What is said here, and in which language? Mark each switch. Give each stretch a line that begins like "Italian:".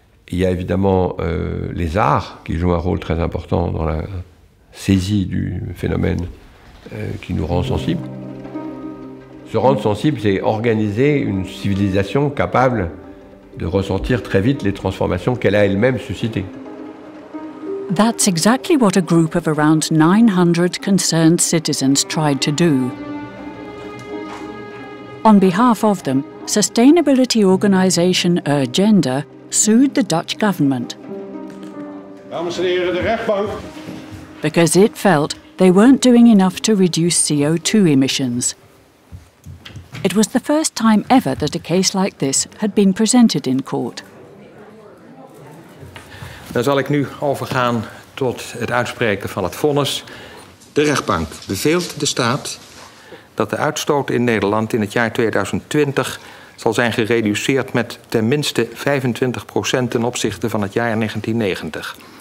French: Il y a évidemment les arts, qui jouent un rôle très important dans la saisie du phénomène qui nous rend sensibles. Se rendre sensible, c'est organiser une civilisation capable de ressentir très vite les transformations qu'elle a elle-même suscitées.
English: That's exactly what a group of around 900 concerned citizens tried to do. On behalf of them, sustainability organization Urgenda sued the Dutch government.
Dutch: Dames en heren, de rechtbank.
English: Because it felt they weren't doing enough to reduce CO2 emissions. It was the first time ever that a case like this had been presented in court.
Dutch: Dan zal ik nu overgaan tot het uitspreken van het vonnis. De rechtbank beveelt de staat dat de uitstoot in Nederland in het jaar 2020 zal zijn gereduceerd met ten minste 25% ten opzichte van het jaar 1990.